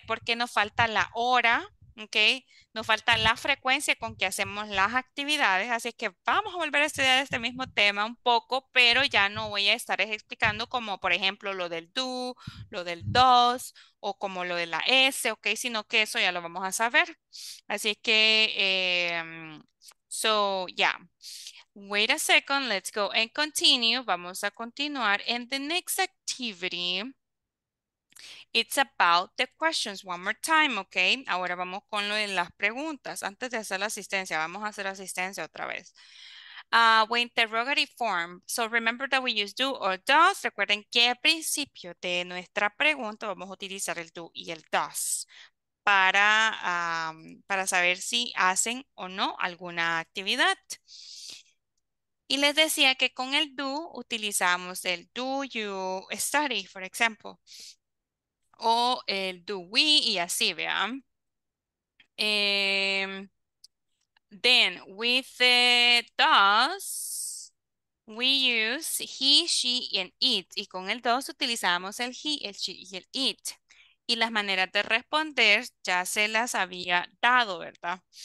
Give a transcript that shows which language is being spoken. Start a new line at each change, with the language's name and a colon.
Spanish: Porque nos falta la hora, okay, nos falta la frecuencia con que hacemos las actividades, así que vamos a volver a estudiar este mismo tema un poco, pero ya no voy a estar explicando como, por ejemplo, lo del do, lo del does, o como lo de la S, okay, sino que eso ya lo vamos a saber, así que, so, yeah.
English: Wait a second, let's go and continue.
Spanish: Vamos a continuar.
English: And the next activity, it's about the questions. One more time, okay?
Spanish: Ahora vamos con lo de las preguntas. Antes de hacer la asistencia, vamos a hacer asistencia otra vez.
English: With interrogative form. So remember that we use do or does.
Spanish: Recuerden que al principio de nuestra pregunta vamos a utilizar el do y el does para saber si hacen o no alguna actividad. Y les decía que con el do utilizamos el
English: do you study, for example.
Spanish: O el do we y así, vean.
English: Then with the does, we use he, she and it.
Spanish: Y con el does utilizamos el he, el she y el it. Y las maneras de responder ya se las había dado, ¿verdad?